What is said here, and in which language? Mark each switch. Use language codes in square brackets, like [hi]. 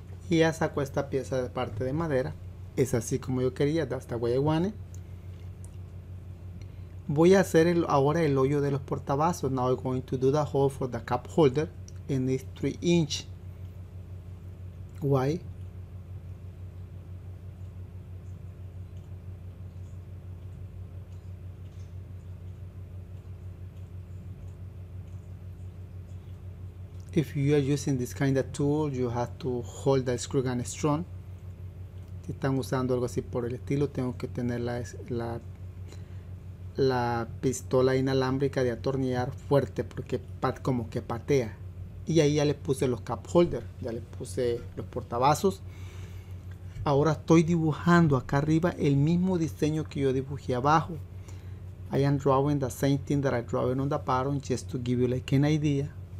[es] Y ya saco esta pieza de parte de madera. Es así como yo quería. [en] That's the way I want it. [es] Voy a hacer ahora el hoyo de los portavasos. [en] Now I'm going to do the hole for the cup holder. And it's 3 inches wide. If you are using this kind of tool, you have to hold the screw gun strong. [es] Si están usando algo así por el estilo, tengo que tener la pistola inalámbrica de atornillar fuerte porque como que patea. Y ahí ya le puse los cup holder, ya le puse los portavasos. Ahora estoy dibujando acá arriba el mismo diseño que yo dibujé abajo. [en] I am drawing the same thing that I drew on the bottom just to give you like an idea.